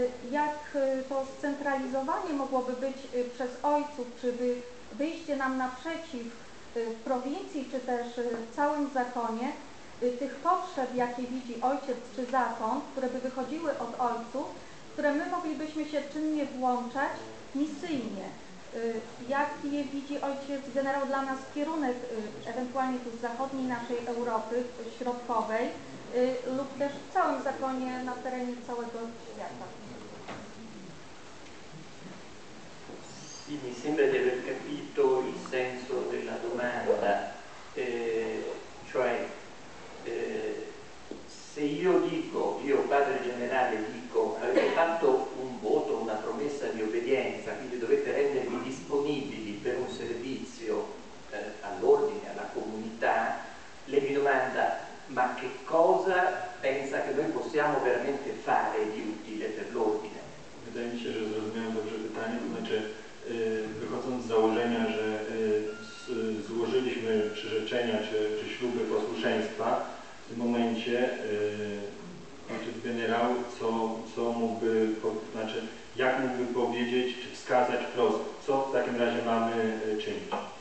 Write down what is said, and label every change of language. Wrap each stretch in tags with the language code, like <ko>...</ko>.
<pl>jak to scentralizowanie mogłoby być przez ojców, czy wyjście nam naprzeciw w prowincji, czy też w całym zakonie, tych potrzeb, jakie widzi ojciec czy zakon, które by wychodziły od ojców, które my moglibyśmy się czynnie włączać misyjnie. Jak je widzi ojciec generał dla nas kierunek ewentualnie tu z zachodniej naszej Europy Środkowej lub też w całym zakonie na terenie całego świata?</pl> <it>Sì, mi sembra di aver capito il senso della domanda, se io dico, io padre generale dico, avete fatto un voto, una promessa di obbedienza, quindi dovete rendervi disponibili per un servizio all'ordine, alla comunità, lei mi domanda ma che cosa pensa che noi possiamo veramente fare di utile per l'ordine?</it> <pl>Wydaje mi się, że zrozumiałem dobrze pytanie, to znaczy wychodząc z założenia, że złożyliśmy przyrzeczenia czy śluby posłuszeństwa, w tym momencie ojciec generał co mógłby, znaczy jak mógłby powiedzieć, czy wskazać wprost, co w takim razie mamy czynić?</pl>